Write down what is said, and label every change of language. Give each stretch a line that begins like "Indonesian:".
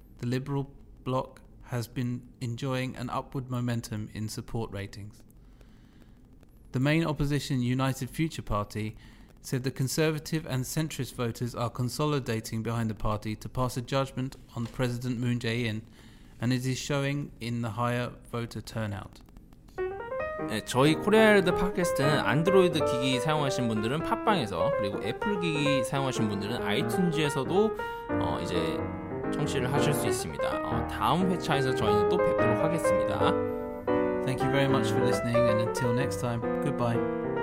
English: The liberal bloc has been enjoying an upward momentum in support ratings. The main opposition United Future Party said the conservative and centrist voters are consolidating behind the party to pass a judgment on President Moon Jae-in, and it is showing in the higher voter turnout.
Korean: 네, 저희 코리아헤드 팟캐스트는 안드로이드 기기 사용하신 분들은 팟빵에서 그리고 애플 기기 사용하신 분들은 아이튠즈에서도 이제 청취를 하실 수 있습니다. 다음 회차에서 저희는 또 뵙도록 하겠습니다.
English: Thank you very much for listening and until next time, goodbye.